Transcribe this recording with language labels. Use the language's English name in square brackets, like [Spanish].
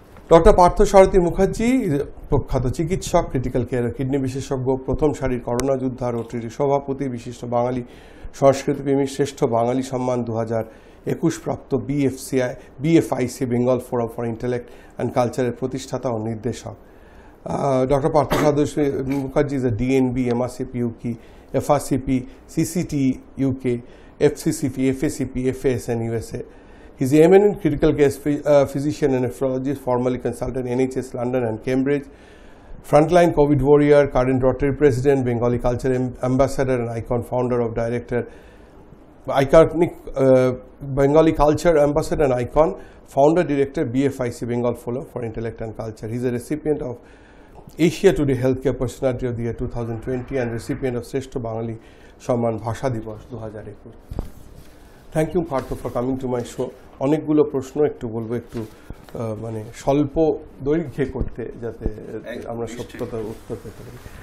[Bangla] Doctor Partha সারথী মুখার্জি, প্রখ্যাত চিকিৎসক, critical care kidney বিশেষজ্ঞ, প্রথম সারির করোনা যোদ্ধা, রোটারি সভাপতি, বিশিষ্ট বাঙালি সংস্কৃতিপ্রেমী, শ্রেষ্ঠ বাঙালি সম্মান 2021 প্রাপ্ত বিএফআইসি Bengal forum for intellect and কালচারের প্রতিষ্ঠাতা ও নির্দেশক। [English] Doctor Partha Sarathi Mukherjee is a DNB, MRCP UK, FRCP, CCT UK, FCCP, FACP, FASN USA. He's the eminent critical care physician and nephrologist, formerly consultant NHS London and Cambridge, frontline COVID warrior, current Rotary president, Bengali culture ambassador and icon founder of director, iconic Bengali culture ambassador and icon, founder director BFIC Bengal Forum for Intellect and Culture. He's a recipient of Asia Today Healthcare Personality of the Year 2020 and recipient of Shrestha Bangali Samman Bhasha Divas 2021. Thank you Partha for coming to my show. [Bangla] অনেকগুলো প্রশ্ন একটু বলবো, একটু মানে স্বল্প দৈর্ঘ্যে করতে, যাতে আমরা সত্যতার উত্তর পেতে পারি।